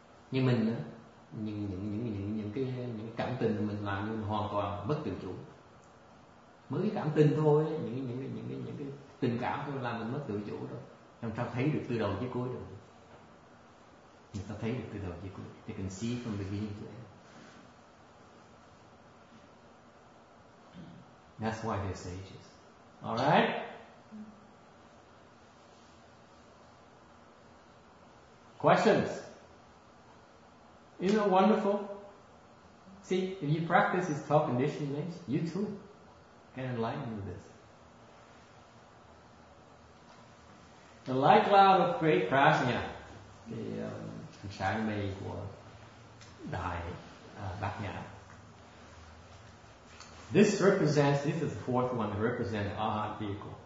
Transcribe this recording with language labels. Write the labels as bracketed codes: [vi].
[vi] Như mình á, những cảm tình mình làm mình hoàn toàn mất tự chủ. Mới cảm tình thôi, những cái tình cảm thôi làm mình mất tự chủ đâu. Làm sao thấy được từ đầu chí cuối được? Người ta thấy được từ đầu chí cuối. [en] They can see from the beginning to end. That's why they're sages. All right? Questions? Isn't it wonderful? See, if you practice these 12 conditioning names, you too can enlighten with this. The light cloud of great prajna, the [vi] sáng mây của đại bát nhã. [en] This represents, this is the fourth one that represents the Arhat vehicle.